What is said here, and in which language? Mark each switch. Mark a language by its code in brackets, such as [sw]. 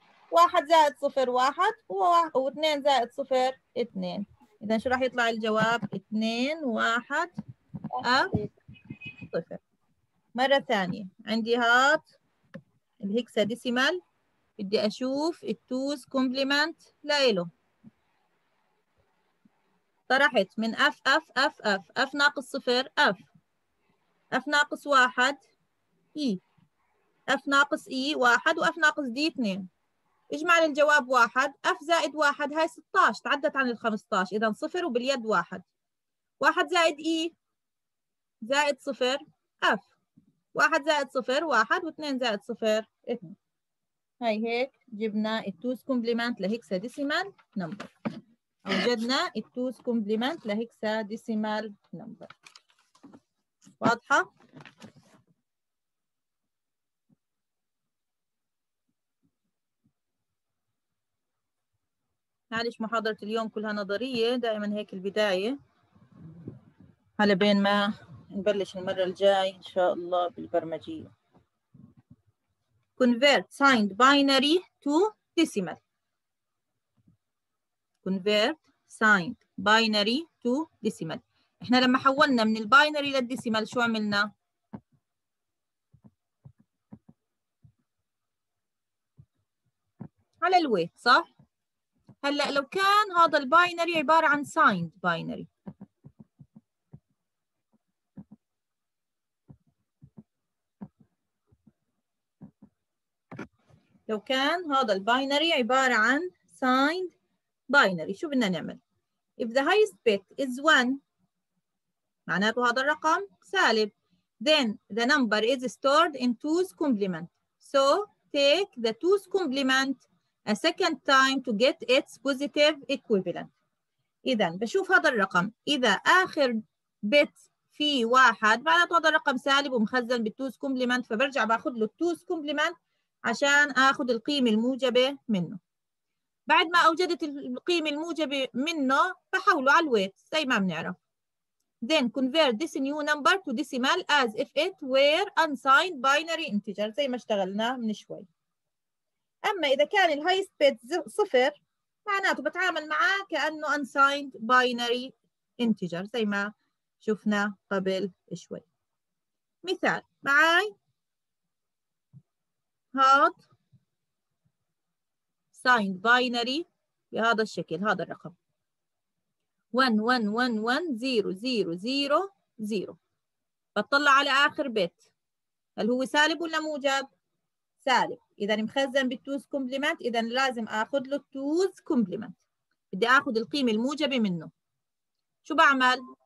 [ar] واحد زائد صفر واحد، واثنين زائد صفر اثنين. اذا شو راح يطلع الجواب؟ اثنين واحد اف صفر. مره ثانيه عندي هات الهكساديسيمال، بدي اشوف التوز كومبليمنت لإله. طرحت من F F F F F ناقص صفر F F ناقص واحد E F ناقص E واحد و F ناقص D اثنين. اجمع للجواب واحد F زائد واحد هاي 16 تعدت عن الخمستاش إذا صفر وباليد واحد. واحد زائد E زائد صفر F واحد زائد صفر واحد واثنين زائد صفر اثنين. هاي هيك جبنا التوز كومبليمنت لهكساديسيمال نمبر. أوجدنا التوز كومبليمنت لهكساديسيمال نمبر. واضحة؟ معلش محاضرة اليوم كلها نظرية، دائما هيك البداية. هلا بين ما نبلش المرة الجاي إن شاء الله بالبرمجية. [en] Convert signed binary to decimal. Convert signed binary to decimal. [ar] إحنا لما حولنا من الباينري للديسيمال شو عملنا؟ على الوي صح؟ هلأ لو كان هذا الباينري عبارة عن signed binary. لو كان هذا الباينري عبارة عن signed binary شو بدنا نعمل؟ [en] If the highest bit is 1 [ar] معناته هذا الرقم سالب [en] then the number is stored in 2's complement so take the 2's complement a second time to get its positive equivalent. [ar] إذا بشوف هذا الرقم إذا آخر bit فيه 1 معناته هذا الرقم سالب ومخزن بال 2's complement فبرجع باخذ له 2's complement عشان اخذ القيمة الموجبة منه. بعد ما اوجدت القيمة الموجبة منه بحوله على الويت زي ما بنعرف. [en] Then convert this new number to decimal as if it were unsigned binary integer [ar] زي ما اشتغلنا من شوي. اما اذا كان الهايست بيت صفر معناته بتعامل معاه كانه unsigned binary integer زي ما شفنا قبل شوي. مثال معاي هاد signed binary بهذا الشكل هذا الرقم 1111000 بتطلع على آخر بيت هل هو سالب ولا موجب؟ سالب إذا مخزن بالتوز كومبليمنت إذا لازم آخذ له التوز كومبليمنت بدي آخذ القيمة الموجبة منه شو بعمل؟